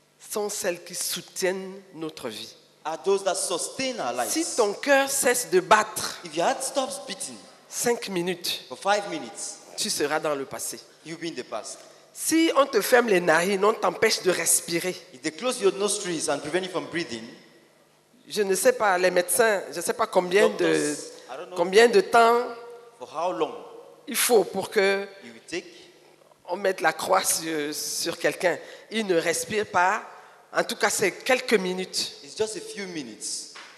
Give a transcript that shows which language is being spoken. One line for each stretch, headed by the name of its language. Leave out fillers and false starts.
French: sont celles qui soutiennent notre vie.
English: Are those that sustain our lives.
French: Si ton cœur cesse de battre,
English: if your heart stops beating,
French: 5 minutes,
English: for 5 minutes,
French: tu seras dans le passé.
English: You'll be in the past.
French: Si on te ferme les narines, on t'empêche de respirer.
English: If they close your nostrils and prevent you from breathing.
French: Je ne sais pas, les médecins, je ne sais pas combien de temps
English: for how long
French: il faut pour que
English: you will take.
French: On mette la croix sur quelqu'un. Il ne respire pas. En tout cas, c'est quelques minutes.
English: It's just a few minutes.